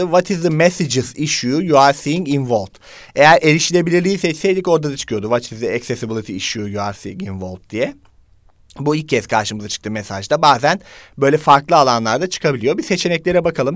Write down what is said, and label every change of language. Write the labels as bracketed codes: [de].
[en] What is the messages issue you are seeing involved? [tr] Eğer erişilebilirliği seçseydik orada da çıkıyordu. [en] What is the accessibility issue you are seeing involved [tr] diye. Bu ilk kez karşımıza çıktı mesajda. Bazen böyle farklı alanlarda çıkabiliyor. Bir seçeneklere bakalım.